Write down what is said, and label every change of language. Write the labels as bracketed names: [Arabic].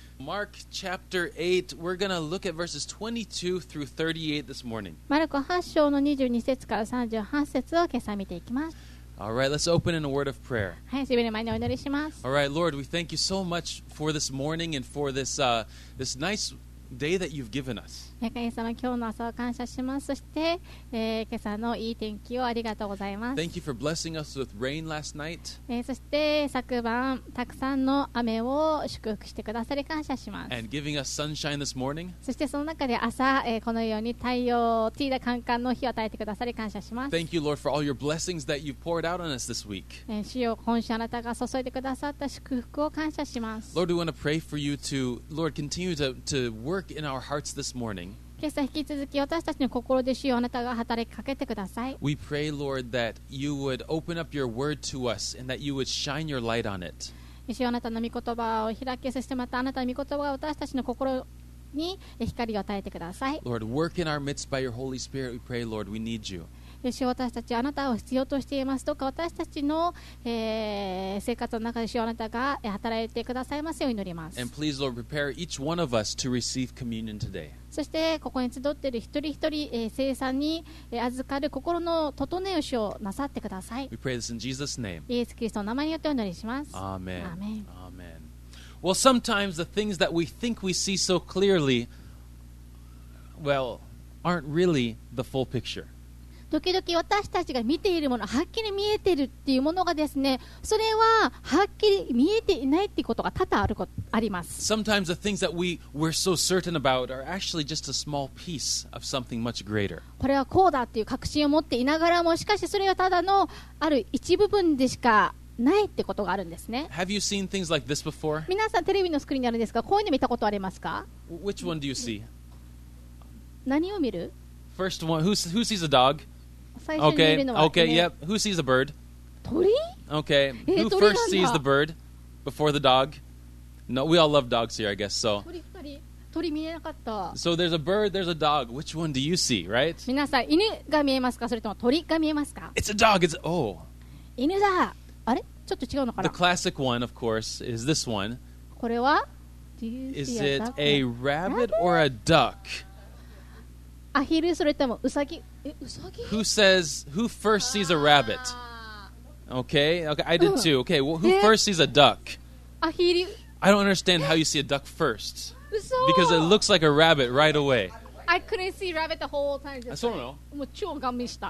[English] Mark chapter 8, we're going to look at verses 22 through 38 this morning. [Japanese] マルコ8章の22節から38節を今朝見ていきます。 [English] All right, let's open in a word of prayer. [Japanese] はい、それでは前にお祈りします。 [English] All right, Lord, we thank you so much for this morning and for this, this nice day that you've given us. [Japanese] 神様、今日の朝を感謝します。そして、今朝のいい天気をありがとうございます。 [English] Thank you for blessing us with rain last night. [Japanese] そして、昨晩、たくさんの雨を祝福してくださり感謝します。 [English] And giving us sunshine this morning. [Japanese] そして、その中で朝、このように太陽、ティーダカンカンの日を与えてくださり感謝します。 [English] Thank you, Lord, for all your blessings that you've poured out on us this week. [Japanese] 主よ、今週あなたが注いでくださった祝福を感謝します。 [English] Lord, we want to pray for you to, Lord, continue to work in our hearts this morning. [Japanese] 今朝引き続き私たちの心で主よあなたが働きかけてください。 [English] We pray, Lord, that you would open up your word to us and that you would shine your light on it. [Japanese] 主よあなたの御言葉を開き、そしてまたあなたの御言葉が私たちの心に光を与えてください。 [English] Lord, work in our midst by your Holy Spirit, we pray, Lord, we need you. [Japanese] 主よ私たちあなたを必要としています。どうか私たちの、生活の中で主よあなたが働いてくださいますよう祈ります。 [English] And please, Lord, prepare each one of us to receive communion today. [Japanese] そしてここに集っている一人一人、聖餐に預かる心の整えをしようなさってください。 [English] We pray this in Jesus' name. [Japanese] イエス・キリストの名前によってお祈りします。 [English] Amen. Amen. Amen. Well, sometimes the things that we think we see so clearly, well, aren't really the full picture. [Japanese] 時々私たちが見ているものはっきり見えているっていうものがですね、それははっきり見えていないっていうことが多々あることあります。 [English] Sometimes the things that we're so certain about are actually just a small piece of something much greater. [Japanese] これはこうだっていう確信を持っていながらも、しかしそれはただのある一部分でしかないってことがあるんですね。 [English] Have you seen things like this before? [Japanese] 皆さんテレビのスクリーンにあるんですか？こういうの見たことありますか？ [English] Which one do you see? [Japanese] 何を見る？ [English] First one, who sees a dog? Okay, okay, yep. Who sees a bird? [Japanese] 鳥? [English] Okay, who first sees the bird before the dog? No, we all love dogs here, I guess, so. [Japanese] 鳥見えなかった。 [English] So there's a bird, there's a dog. Which one do you see, right? [Japanese] 皆さん、犬が見えますか、それとも鳥が見えますか? [English] It's a dog, it's... Oh. [Japanese] 犬だ。あれ?ちょっと違うのかな? [English] The classic one, of course, is this one. [Japanese] これは? [English] Is it a rabbit or a duck? [Japanese] アヒル、それともウサギ、ウサギ? [English] Who says, who first sees a rabbit? Okay, okay, I did too. Okay, well, who first sees a duck? [Japanese] アヒル。 [English] I don't understand how you see a duck first. [Japanese] ウソ。 [English] Because it looks like a rabbit right away. I couldn't see rabbit the whole time. I don't know. [Japanese] もう超ガン見した。